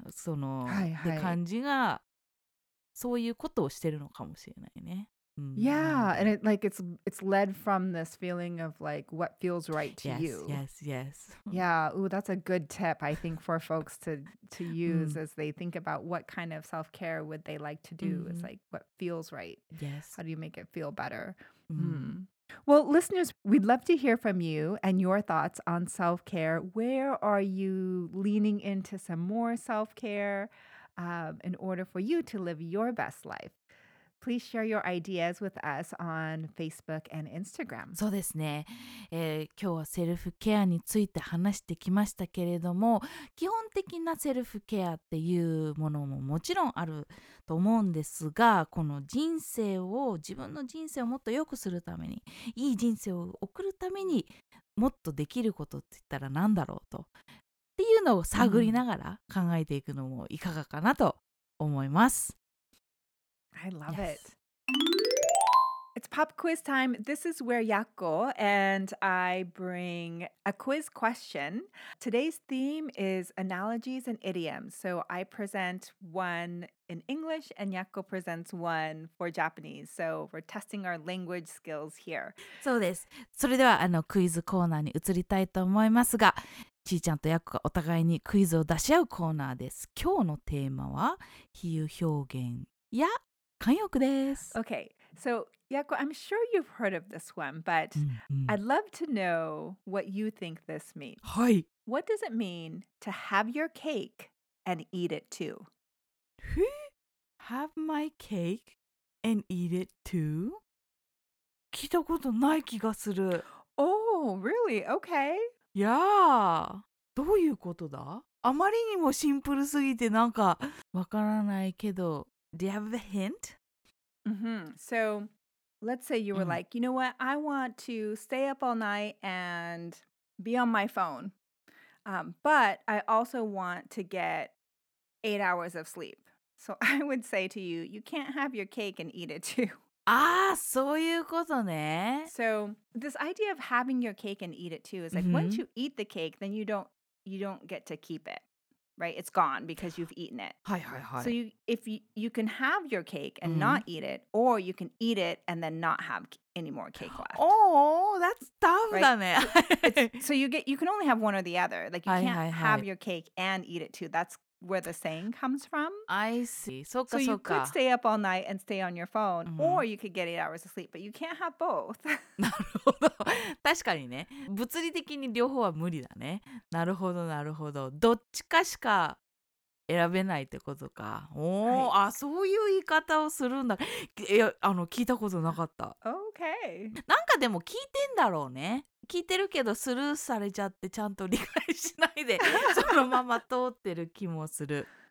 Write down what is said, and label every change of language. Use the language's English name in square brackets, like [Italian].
[Japanese] その、はいはい、感じがそういうことをしてるのかもしれないね。 [English] Yeah, and it, like it's led from this feeling of like what feels right to yes, you. Yes, yes. Yeah, ooh, that's a good tip I think for folks to use as they think about what kind of self-care would they like to do. It's like what feels right. Yes. How do you make it feel better? Well, listeners, we'd love to hear from you and your thoughts on self-care. Where are you leaning into some more self-care in order for you to live your best life? Please share your ideas with us on Facebook and Instagram. [Japanese] そうですね。今日はセルフケアについて話してきましたけれども、基本的なセルフケアっていうものももちろんあると思うんですが、この人生を、自分の人生をもっと良くするために、いい人生を送るために、もっとできることって言ったら何だろうと、っていうのを探りながら考えていくのもいかがかなと思います。 [English] I love yes. it. It's pop quiz time. This is where Yakko and I bring a quiz question. Today's theme is analogies and idioms. So I present one in English and Yakko presents one for Japanese. So we're testing our language skills here. [Japanese] そうです。それではあのクイズコーナーに移りたいと思いますが、ちーちゃんとヤッコがお互いにクイズを出し合うコーナーです。今日のテーマは比喩表現や慣用句です。 [English] Okay, so Yakko, I'm sure you've heard of this one, but I'd love to know what you think this means. [Japanese] はい。 [English] What does it mean to have your cake and eat it too? Have my cake and eat it too? [Japanese] 聞いたことない気がする。 [English] Oh, really? Okay. [Japanese] Yeah. どういうことだ？あまりにもシンプルすぎてなんかわからないけど。 [English] Do you have a hint? Mm-hmm. So let's say you were like, you know what? I want to stay up all night and be on my phone. But I also want to get 8 hours of sleep. So I would say to you, you can't have your cake and eat it too. [Japanese] Ah, そういうことね。 [English] So this idea of having your cake and eat it too is like once you eat the cake, then you don't get to keep it. Right, it's gone because you've eaten it. [Japanese] はいはいはい。 [English] So if you can have your cake and not eat it, or you can eat it and then not have any more cake left. Oh, that's tough, right? [Japanese] だね。 [English] So you can only have one or the other. Like you can't have your cake and eat it too. That's where the saying comes from. I see. [Japanese] そうかそうか。 [English] So you could stay up all night and stay on your phone, or you could get 8 hours of sleep, but you can't have both. [Japanese] なるほど。確かにね。物理的に両方は無理だね。なるほどなるほど。どっちかしか選べないってことか。おお、はい、あ、そういう言い方をするんだ。いや、あの、聞いたことなかった。 Okay. なんかでも聞いてんだろうね。聞いてるけどスルーされちゃってちゃんと理解しないでそのまま通ってる気もする。